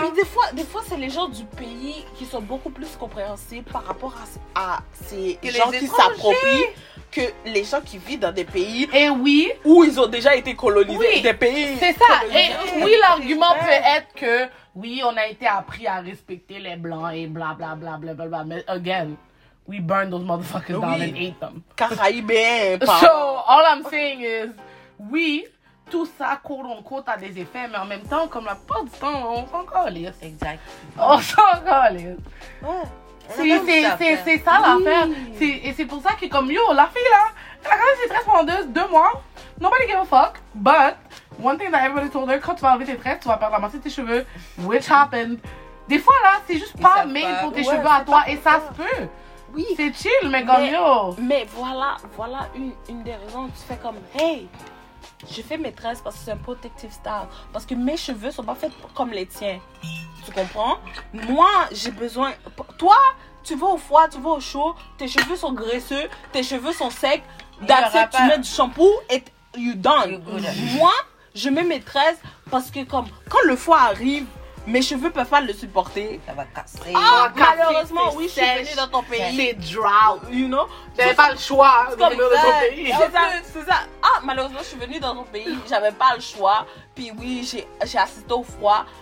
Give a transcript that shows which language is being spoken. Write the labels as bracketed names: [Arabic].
[French] Puis des fois, c'est les gens du pays qui sont beaucoup plus compréhensibles par rapport à ces et gens qui s'approprient que les gens qui vivent dans des pays et oui, où ils ont déjà été colonisés, oui, des pays. C'est ça. Et oui, l'argument peut être que oui, on a été appris à respecter les blancs et blablabla. Bla, bla, bla, bla, bla. [English] Mais again, we burned those motherfuckers down and ate them. [French] Caraïbes. [English] So, all I'm saying is, [French] oui, tout ça, [English] quote on quote, [French] a des effets, mais en même temps, comme la plupart du temps, on s'en calisse. Exact. On s'en calisse. Ouais. C'est ça l'affaire. Oui. C'est pour ça que comme yo, la fille là, elle a quand même ses tresses pendant deux mois. [English] Nobody gave a fuck. But one thing that everybody told her, [French] quand tu vas enlever tes tresses, tu vas perdre la moitié de tes cheveux. [English] Which happened. [French] Des fois là, c'est juste pas made pour tes cheveux à toi et ça se peut. Oui. C'est chill, mais comme yo. Mais voilà une des raisons où tu fais comme hey. Je fais mes tresses parce que c'est un protective style. Parce que mes cheveux sont pas faits comme les tiens. Tu comprends? Moi, j'ai besoin... Toi, tu vas au froid, tu vas au chaud, tes cheveux sont graisseux, tes cheveux sont secs. [English] That's it, [French] tu mets du shampoo et [English] you're done. [French] Moi, je mets mes tresses parce que comme quand le froid arrive, mes cheveux peuvent pas le supporter. Ça va casser. Ah, malheureusement, oui, je suis venue dans ton pays. C'est drought, [English] you know. [French] J'avais pas le choix de venir dans ton pays. C'est ça. Ah, malheureusement, je suis venue dans ton pays. J'avais pas le choix. Puis oui, j'ai assisté au froid.